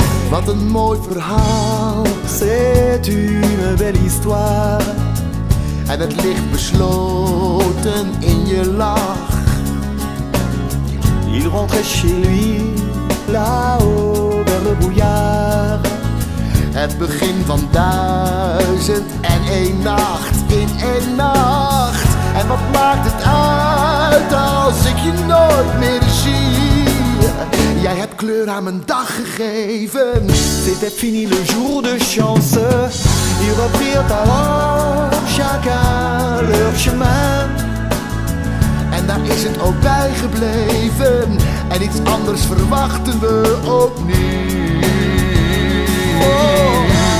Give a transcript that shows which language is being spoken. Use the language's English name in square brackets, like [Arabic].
[Dutch] Wat een mooi verhaal, [French] c'est une belle histoire. [Dutch] En het ligt besloten in je lach. [French] Il rentrait chez lui, là-haut, vers le brouillard. [Dutch] Het begin van duizend en één nacht, in één nacht. En wat maakt het uit als ik je nooit meer zie? Jij hebt kleur aan mijn dag gegeven. [French] C'était fini le jour de chance. Ils reprirent alors chacun leur chemin. [Dutch] En daar is het ook bij gebleven. En iets anders verwachten we ook niet. Oh.